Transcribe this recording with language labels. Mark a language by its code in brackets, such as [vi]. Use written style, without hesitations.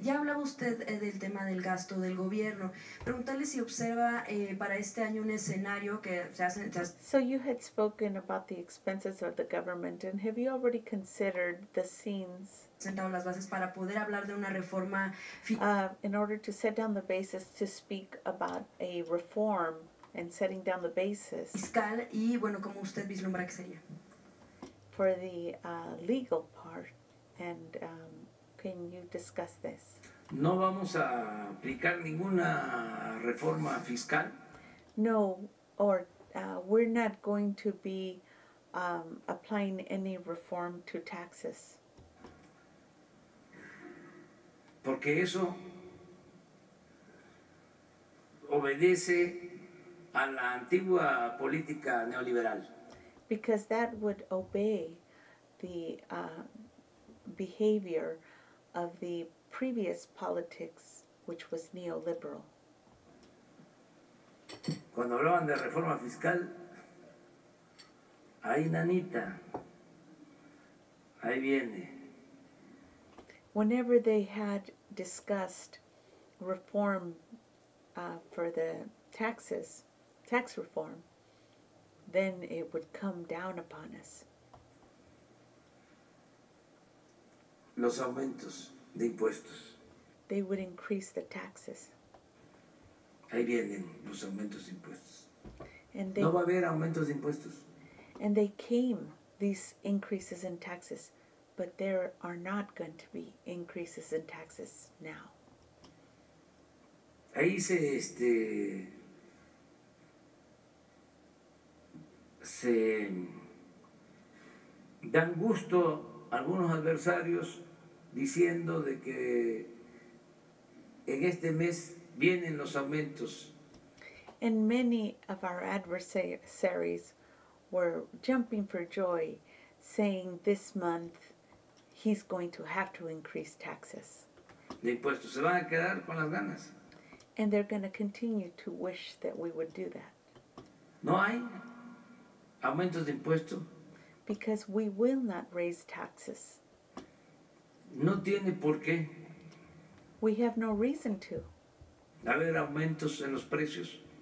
[es] Ya hablaba usted del tema del gasto del gobierno. Preguntarle si observa para este año un escenario que se hace... [en] So you had spoken about the expenses of the government, and have you already considered the scenes... [es] ...sentado las bases para poder hablar de una reforma... [en] In order to set down the basis to speak about a reform and setting down the basis... [es] ...fiscal y, bueno, como usted vislumbra que sería... [en] For the legal part, and can you discuss this? [es] No vamos a aplicar ninguna reforma fiscal. [en] No, or we're not going to be applying any reform to taxes. [es] Porque eso obedece a la antigua política neoliberal. [en] Because that would obey the behavior of the previous politics, which was neoliberal. [es] Cuando hablaban de reforma fiscal, ahí nanita, ahí viene. [en] Whenever they had discussed reform for the taxes, tax reform, then it would come down upon us. [es] Los aumentos de impuestos. [en] They would increase the taxes. [es] Ahí vienen los aumentos de impuestos. [en] And they, [es] no va a haber aumentos de impuestos. [en] And they came, these increases in taxes, but there are not going to be increases in taxes now. [es] Ahí se, se dan gusto algunos adversarios diciendo de que en este mes vienen los aumentos. [en] And many of our adversaries were jumping for joy, saying this month he's going to have to increase taxes. [es] De impuestos, se van a quedar con las ganas. [en] And they're going to continue to wish that we would do that. [es] No hay aumentos de impuestos. [en] Because we will not raise taxes. [es] No tiene por qué. [en] We have no reason to. [es] Haber aumentos en los precios.